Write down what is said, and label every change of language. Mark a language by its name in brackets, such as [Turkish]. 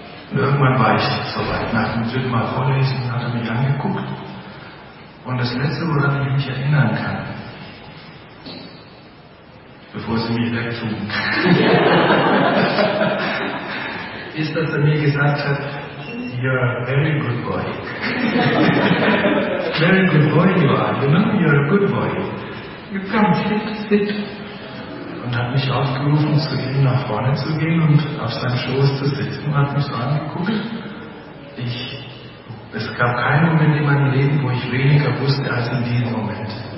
[German] Und irgendwann war ich soweit. Nach dem dritten Mal vorlesen hat er mich angeguckt. Und das Letzte, woran ich mich erinnern kann, bevor sie mich wegzogen, ist, dass er mir gesagt hat, [English] you're a very good boy. Very good boy you are, you know, you're a good boy. You come, sit, sit. [German] Und hat mich aufgerufen, zu ihm nach vorne zu gehen und auf seinem Schoß zu sitzen und hat mich so angeguckt. Es gab keinen Moment in meinem Leben, wo ich weniger wusste als in diesem Moment.